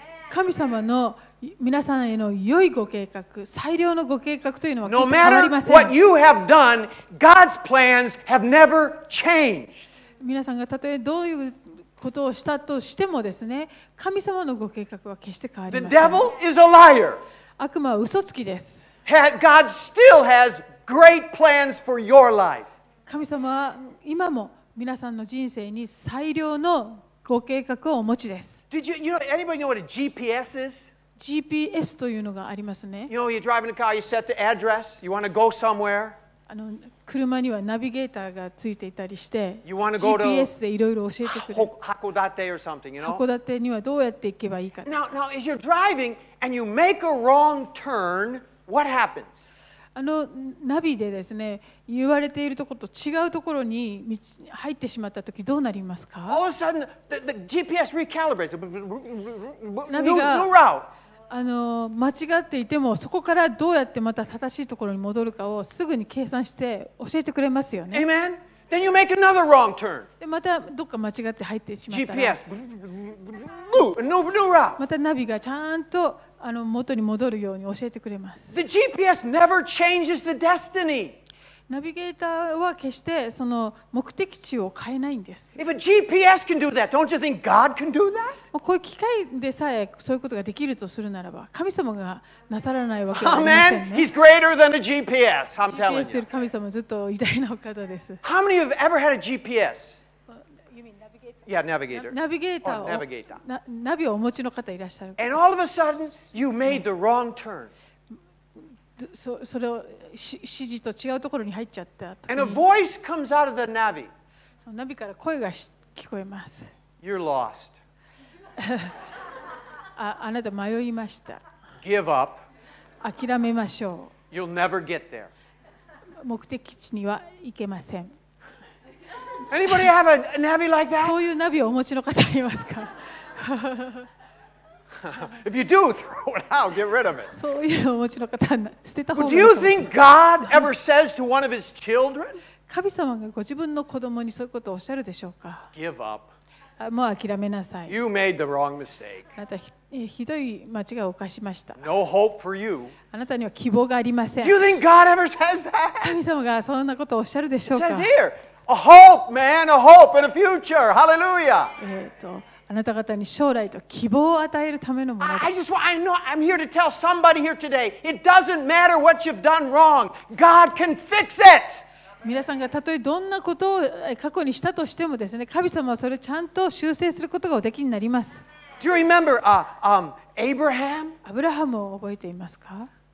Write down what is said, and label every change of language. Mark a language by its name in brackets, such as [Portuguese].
[Japanese] 神様の皆さんへの良いご計画、最良のご計画というのは決して変わりません。 [English] No matter what you have done, God's plans have never changed. [Japanese] 皆さんがたとえどういうことをしたとしてもですね、神様のご計画は決して変わりません。 [English] The devil is a liar. [Japanese] 悪魔は嘘つきです。 [English] God still has great plans for your life. [Japanese] 神様は今も皆さんの人生に最良のご計画をお持ちです。 [English] Did you, you know, anybody know what a GPS is? [Japanese] GPS というのがありますね。 [English] You know, you're driving a car, you set the address, you want to go somewhere. [Japanese] あの、車にはナビゲーターがついていたりして、 [English] you want to go to [Japanese] GPS でいろいろ教えてくれる。 [English] 函館 or something, you know? [Japanese] 函館にはどうやって行けばいいか。 [English] Now, as you're driving and you make a wrong turn, what happens? [Japanese] あの、ナビでですね、言われているところと違うところに入ってしまったときどうなりますか? [English] All of a sudden, the GPS recalibrates. [Japanese] ナビが [English] new route. [Japanese] あの間違っていてもそこからどうやってまた正しいところに戻るかをすぐに計算して教えてくれますよね。 [English] Amen. Then you make another wrong turn. [Japanese] でまたどっか間違って入ってしまったら [English] GPS. New route. [Japanese] またナビがちゃんとあの元に戻るように教えてくれます。 [English] The GPS never changes the destiny. [Japanese] ナビゲーターは決してその目的地を変えないんです。 [English] If a GPS can do that, don't you think God can do that? [Japanese] こういう機会でさえそういうことができるとするならば、神様がなさらないわけではありませんね。 [English] Amen. He's greater than a GPS. I'm telling you. [Japanese] GPS する神様ずっと偉大なお方です。 [English] How many of you have ever had a GPS? You mean navigator? Yeah, navigator. Navigator. Or navigator. [Japanese] ナビをお持ちの方いらっしゃる。 [English] And all of a sudden, you made the wrong turn. [Japanese] それを指示と違うところに入っちゃった。 [English] And a voice comes out of the navi. [Japanese] ナビから声が聞こえます。 [English] You're lost. [Japanese] あなた迷いました。 [English] Give up. [Japanese] 諦めましょう。 [English] You'll never get there. [Japanese] 目的地には行けません。 [English] Anybody have a navi like that? [Japanese] そういうナビをお持ちの方いますか? [English] If you do, throw it out. Get rid of it. [Japanese] そういうのお持ちの方、捨てた方がいいかもしれない。 [English] Do you think God ever says to one of His children? [Japanese] 神様がご自分の子供にそういうことをおっしゃるでしょうか? [English] Give up. [Japanese] もう諦めなさい。 [English] You made the wrong mistake. [Japanese] あなた ひどい間違いを犯しました。 [English] No hope for you. [Japanese] あなたには希望がありません。 [English] Do you think God ever says that? [Japanese] 神様がそんなことをおっしゃるでしょうか? [English] It says here, a hope, man, a hope and a future. Hallelujah. [Japanese] あなた方に将来と希望を与えるためのものだ。 [English] I know I'm here to tell somebody here today. It doesn't matter what you've done wrong. God can fix it. [Japanese] 皆さんがたとえどんなことを過去にしたとしてもですね、神様はそれをちゃんと修正することがおできになります。 [English] Do you remember, Abraham? [Japanese] アブラハムを覚えていますか?